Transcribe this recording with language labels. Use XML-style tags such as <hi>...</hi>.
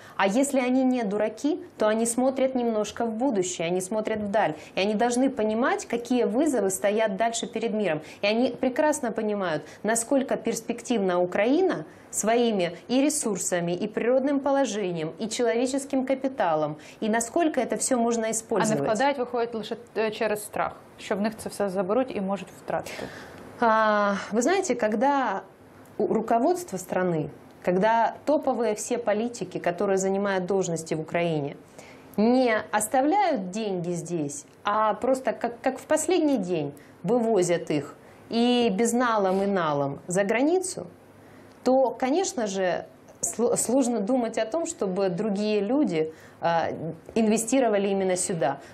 <ru>А если они не дураки, то они смотрят немножко в будущее, они смотрят вдаль. И они должны понимать, какие вызовы стоят дальше перед миром. И они прекрасно понимают, насколько перспективна Украина своими и ресурсами, и природным положением, и человеческим капиталом, и насколько это все можно использовать.</ru> <uk>А не вкладають, виходить лише через страх, що в них це все заберуть і можуть втратити? Ви знаєте,</uk> <ru>коли руководство страны, когда топовые все политики, которые занимают должности в Украине, не оставляют деньги здесь, а просто как в последний день вывозят их и безналом, и налом за границу, то, конечно же, сложно думать о том, чтобы другие люди инвестировали именно сюда.</ru>